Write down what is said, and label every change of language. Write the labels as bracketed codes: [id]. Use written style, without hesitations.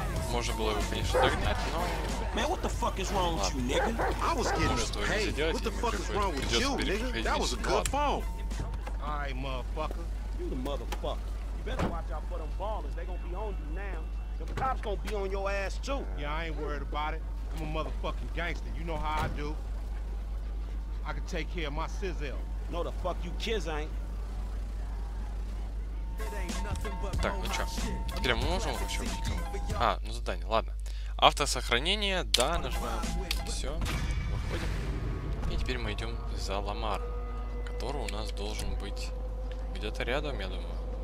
[ru] Можно было бы, конечно, догнать, но... [en] Man, what the fuck is wrong with you, nigga? I was getting paid. What the fuck is wrong with you, nigga? That was a good phone. Alright, motherfucker. You the motherfucker. You better watch out for them ballers. They gonna be on you now. The cops gonna be on your ass too. Yeah, I ain't worried about it. I'm a motherfucking gangster, you know how I do. I can take care of my sizzle. No the fuck you kids ain't. [ru] Так, ну чё, теперь мы можем вообще убить кого-то? А, ну задание, ладно. Автосохранение, да, нажимаем. Всё, выходим. И теперь мы идём за Ламар, который у нас должен быть где-то рядом, я думаю.